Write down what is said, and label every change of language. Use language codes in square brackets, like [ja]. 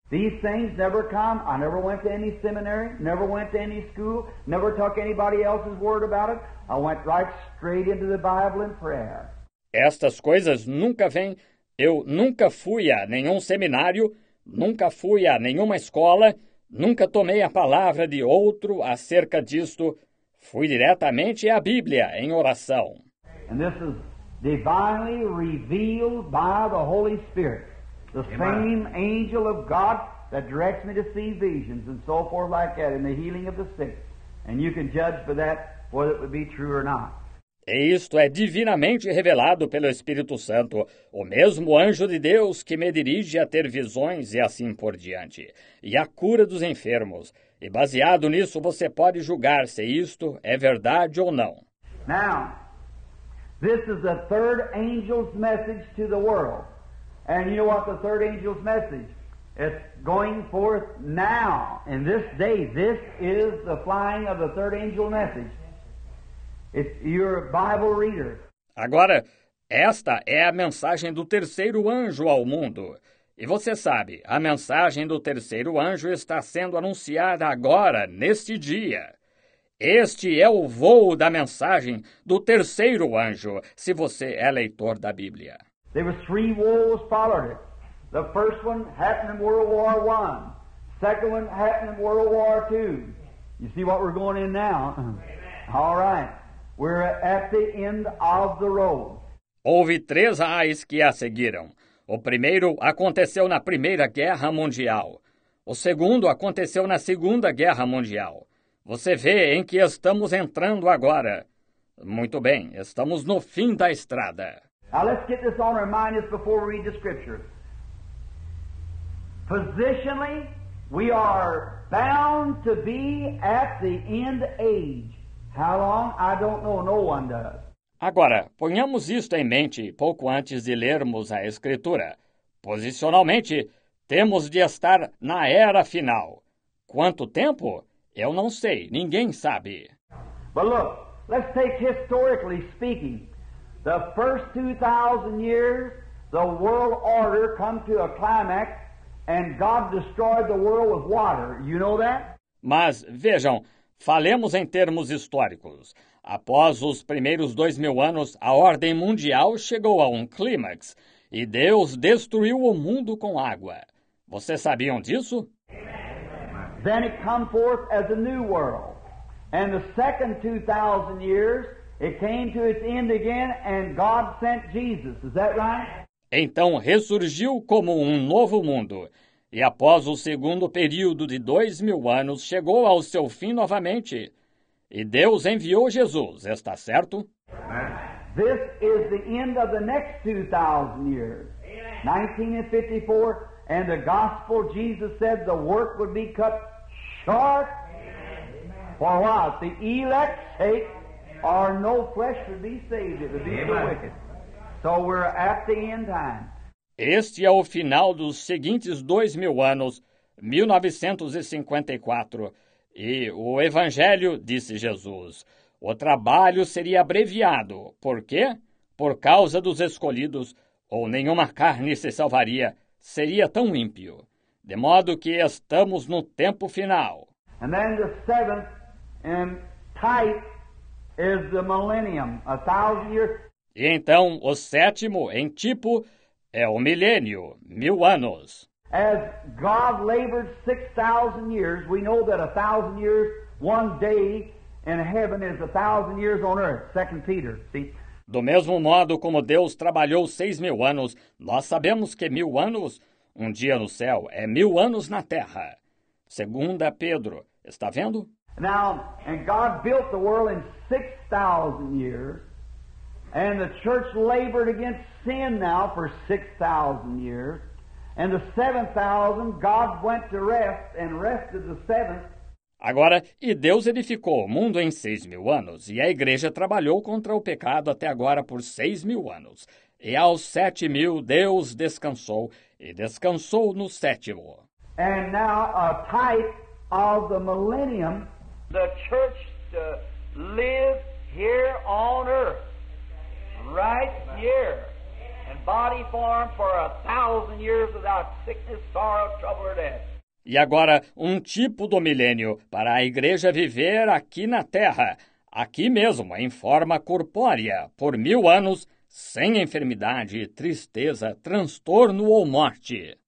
[en] These things never come. I never went to any seminary, never went to any school, never took anybody else's word about it. I went right straight into the Bible and prayer. [pt] Estas coisas nunca vêm. Eu nunca fui a nenhum seminário, nunca fui a nenhuma escola. Nunca tomei a palavra de outro acerca disto. Fui diretamente à Bíblia em oração. [en] And this is divinely revealed by the Holy Spirit. The Amen. Same angel of God that directs me to see visions and so forth like that in the healing of the sick. And you can judge by that whether it would be true or not. [pt] E isto é divinamente revelado pelo Espírito Santo, o mesmo anjo de Deus que me dirige a ter visões e assim por diante, e a cura dos enfermos. E baseado nisso, você pode julgar se isto é verdade ou não. [en] Now, this is the third angel's message to the world. And you know what the third angel's message? It's going forth now, in this day. This is the flying of the third angel message. It's your Bible reader. [pt] Agora, esta é a mensagem do terceiro anjo ao mundo. E você sabe, a mensagem do terceiro anjo está sendo anunciada agora, neste dia. Este é o voo da mensagem do terceiro anjo, se você é leitor da Bíblia. [en] There were three wars followed it. The first one happened in World War I. Second one happened in World War II. You see what we're going in now? All right. We're at the end of the road. [pt] Houve três raios que a seguiram. O primeiro aconteceu na Primeira Guerra Mundial. O segundo aconteceu na Segunda Guerra Mundial. Você vê em que estamos entrando agora. Muito bem, estamos no fim da estrada. [en] Now let's get this on our minds before we read the scripture. Positionally, we are bound to be at the end age. How long? I don't know. No one does. [pt] Agora, ponhamos isto em mente pouco antes de lermos a Escritura. Posicionalmente, temos de estar na era final. Quanto tempo? Eu não sei. Ninguém sabe. [en] But look, let's take historically speaking. The first 2,000 years, the world order come to a climax and God destroyed the world with water. You know that? [pt] Mas, vejam, falemos em termos históricos. Após os primeiros 2000 anos, a ordem mundial chegou a um clímax e Deus destruiu o mundo com água. Vocês sabiam disso? [en] Then it came forth as a new world. And the second 2,000 years, it came to its end again and God sent Jesus. Is that right? [pt] Então ressurgiu como um novo mundo. E após o segundo período de 2000 anos, chegou ao seu fim novamente. E Deus enviou Jesus, está certo? [en] This is the end of the next 2,000 years. Amen. 1954, and the gospel, Jesus said, the work would be cut short. Amen. For what? The elect sake, or no flesh would be saved. It would be the wicked. So we're at the end time. [pt] Este é o final dos seguintes 2,000 anos, 1954, e o Evangelho, disse Jesus, o trabalho seria abreviado. Por quê? Por causa dos escolhidos, ou nenhuma carne se salvaria, seria tão ímpio. De modo que estamos no tempo final. [en] And then the seventh in type is the millennium, 1,000 years. [pt] E então o sétimo em tipo é o milênio, 1,000 anos. [en] As God labored 6,000 years, we know that 1,000 years, one day in heaven is 1,000 years on earth. 2 Peter, see? [pt] Do mesmo modo como Deus trabalhou 6,000 anos, nós sabemos que 1,000 anos, um dia no céu, é 1,000 anos na terra. 2 Pedro, está vendo? [en] Now, and God built the world in 6,000 years. And the church labored against sin now for 6,000 years. And the 7,000, God went to rest and rested the seventh. [pt] Agora, e Deus edificou o mundo em 6,000 anos, e a igreja trabalhou contra o pecado até agora por 6,000 anos. E aos 7,000, Deus descansou, e descansou no sétimo. [en] And now a type of the millennium, the church lives here on earth. Right here, in body form for 1,000 years without sickness, sorrow, trouble or death. [pt] E agora, um tipo do milênio para a igreja viver aqui na terra, aqui mesmo, em forma corpórea, por 1,000 anos, sem enfermidade, tristeza, transtorno ou morte.